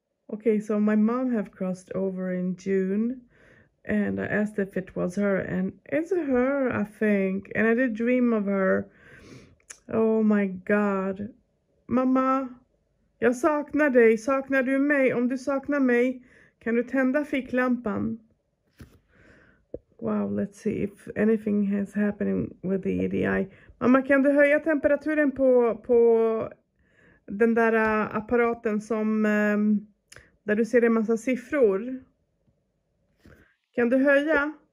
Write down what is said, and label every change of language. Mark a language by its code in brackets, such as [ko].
[en] Okay, so my mom have crossed over in June, and I asked if it was her, and it's her, I think. And I did dream of her. Oh my God, [sv] mamma, jag saknar dig. Saknar du mig? Om du saknar mig, kan du tända ficklampan? [en] Wow, let's see if anything has happened with the EDI. [sv] Mamma, kan du höja temperaturen på den där apparaten som där du ser en massa siffror. Kan du höja?